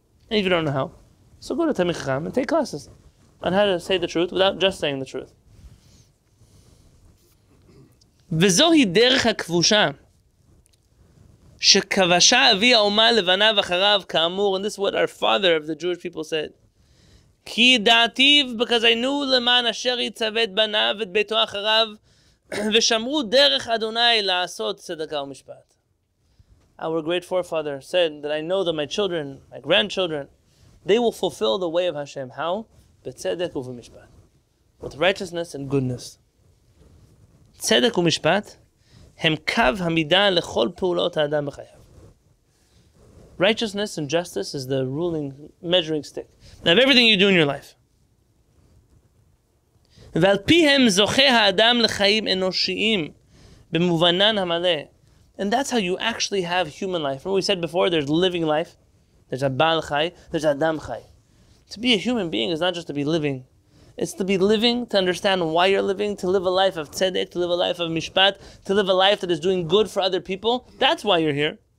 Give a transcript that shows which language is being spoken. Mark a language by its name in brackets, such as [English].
[English] And if you don't know how, so go to Talmid Chacham and take classes on how to say the truth without just saying the truth. [Hebrew] וזוהי דרך הכבושה שכבשה אבי האומה לבניו אחריו כאמור, [English] and this is what our father of the Jewish people said. [Hebrew] כי דעתיו, [English] because I knew [Hebrew] למען אשר יצוות בניו את ביתו אחריו ושמרו דרך אדוני לעשות צדקה ומשפט. [English] Our great forefather said that I know that my children, my grandchildren, they will fulfill the way of Hashem. How? [Hebrew] בצדק ובמשפט. [English] With righteousness and goodness. [Hebrew] צדק ומשפט הם קו המידה לכל פעולות האדם בחייו. [English] Righteousness and justice is the ruling measuring stick of everything you do in your life. [Hebrew] ועל פיהם זוכה האדם לחיים אנושיים במובנן המלא. [English] And that's how you actually have human life. Remember we said before, there's living life, there's a bal chai, there's adam chai. To be a human being is not just to be living. It's to be living, to understand why you're living, to live a life of tzedek, to live a life of mishpat, to live a life that is doing good for other people. That's why you're here.